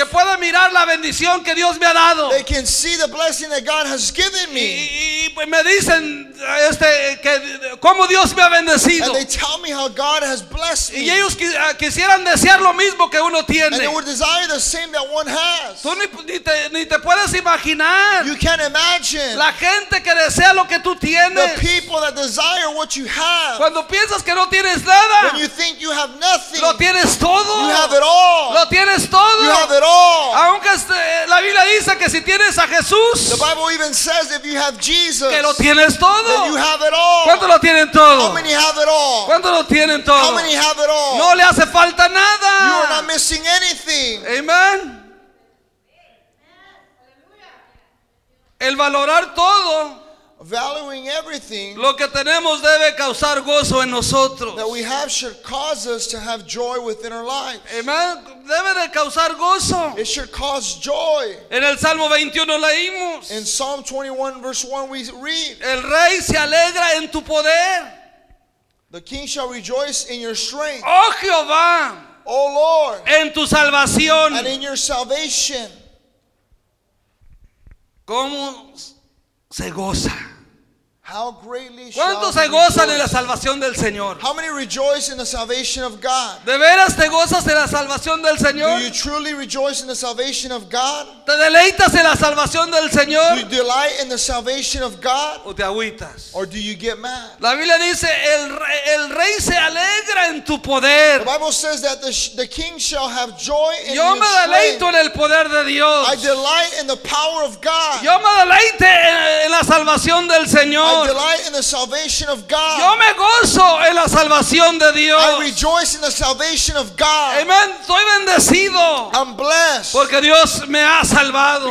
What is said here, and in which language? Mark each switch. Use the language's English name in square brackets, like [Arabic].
[Spanish] Que puede mirar la bendición que Dios me ha dado. [English] They can see the blessing that God has given me. [Spanish] Y me dicen que cómo Dios me ha bendecido. [English] And they tell me how God has blessed me. [Spanish] Y ellos quisieran desear lo mismo que uno tiene. [English] And they would desire the same that one has. [Spanish] Tú ni te puedes imaginar. [English] You can't imagine. [Spanish] La gente que desea lo que tú tienes. [English] The people that desire what you have. [Spanish] Cuando piensas que no tienes nada. [English] When you think you have nothing. [Spanish] Lo tienes todo. [English] You have it all. [Spanish] Lo tienes todo. [English] You have it all. [Spanish] Aunque la Biblia dice que si tienes a Jesús. [English] The Bible even says if you have Jesus. [Spanish] Que lo tienes todo. [English] Then you have it all. [Spanish] ¿Cuánto lo tienen todo? [English] How many have it all? [Spanish] ¿Cuánto lo tienen todo? [English] How many have it all? [Spanish] No le hace falta nada. [English] You are not missing anything. Amen. [Spanish] El valorar todo, [English] valuing everything, [Spanish] lo que tenemos debe causar gozo en nosotros. [English] That we have should cause us to have joy within our lives. [Spanish] Amen. Debe de causar gozo. [English] It should cause joy. [Spanish] En el Salmo 21 leímos. [English] In Psalm 21 verse 1 we read. [Spanish] El rey se alegra en tu poder. [English] The king shall rejoice in your strength. [Spanish] Oh Jehová. [English] Oh Lord. [Spanish] En tu salvación. [English] And in your salvation. [Spanish] ¿Cómo se goza? [English] How greatly shall [Spanish] ¿Cuántos se gozan en la salvación del Señor? [English] How many rejoice in the salvation of God? [Spanish] ¿De veras te gozas en la salvación del Señor? [English] Do you truly rejoice in the salvation of God? [Spanish] ¿Te deleitas en la salvación del Señor? [English] Do you delight in the salvation of God? [Spanish] ¿O te agüitas? [English] Or do you get mad? [Spanish] La Biblia dice, el rey se alegra en tu poder. [English] The Bible says that the king shall have joy in [Spanish] Yo me deleito [English] strength. [Spanish] En el poder de Dios. [English] I delight in the power of God. [Spanish] Yo me deleito en la salvación del Señor. [English] I delight in the salvation of God. [Spanish] Yo me gozo en la salvación de Dios. [English] I rejoice in the salvation of God. [Spanish] Amen. Soy bendecido. [English] I'm blessed. [Spanish] Porque Dios me ha salvado.